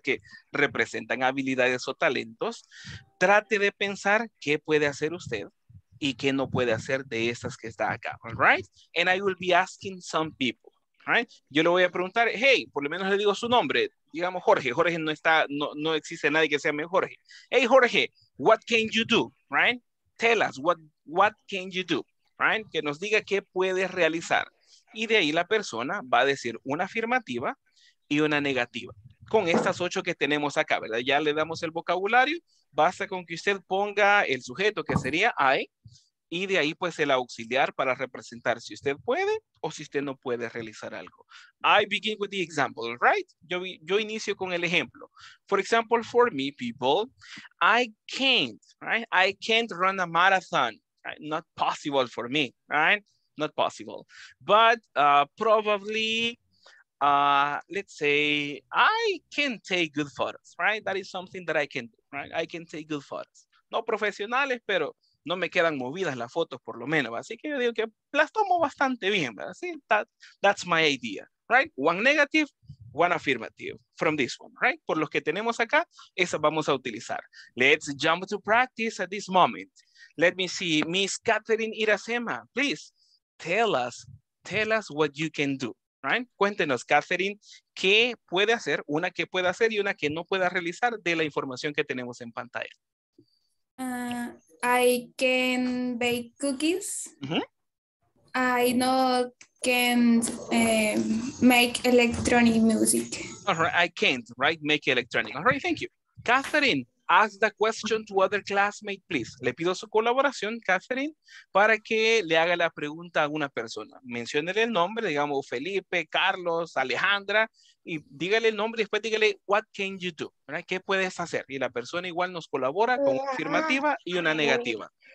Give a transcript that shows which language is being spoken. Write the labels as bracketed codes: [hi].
[es] Que representan habilidades o talentos. Trate de pensar qué puede hacer usted y qué no puede hacer de estas que está acá, [en] all right? And I will be asking some people, right? [es] Yo le voy a preguntar, hey, por lo menos le digo su nombre, digamos Jorge. Jorge no está, no existe nadie que se llame Jorge. [en] Hey, Jorge, what can you do, right? Tell us, what can you do, right? [es] Que nos diga qué puede realizar. Y de ahí la persona va a decir una afirmativa y una negativa. Con estas 8 que tenemos acá, ¿verdad? Ya le damos el vocabulario. Basta con que usted ponga el sujeto, que sería I, y de ahí pues el auxiliar para representar si usted puede o si usted no puede realizar algo. [en] I begin with the example, right? [es] Yo inicio con el ejemplo. [en] For example, for me, people, I can't, right? I can't run a marathon. Not possible for me, right? Not possible. But probably, let's say, I can take good photos, right? That is something that I can do, right? I can take good photos. [es] No profesionales, pero no me quedan movidas las fotos, por lo menos. Así que yo digo que las tomo bastante bien, ¿verdad? [en] Sí, that's my idea, right? One negative, one affirmative from this one, right? [es] Por los que tenemos acá, esas vamos a utilizar. [en] Let's jump to practice at this moment. Let me see, Miss Catherine Iracema, please tell us what you can do, right? [es] Cuéntenos, Catherine, ¿qué puede hacer? Una que pueda hacer y una que no pueda realizar de la información que tenemos en pantalla. [en] I can bake cookies. Uh-huh. I not can make electronic music. All right, I can't, right? Make electronic. All right, thank you. Catherine, ask the question to other classmate, please. [es] Le pido su colaboración, Catherine, para que le haga la pregunta a una persona. Menciónele el nombre, digamos, Felipe, Carlos, Alejandra, y dígale el nombre y después dígale, [en] what can you do? [es] ¿Verdad? ¿Qué puedes hacer? Y la persona igual nos colabora con una afirmativa y una negativa.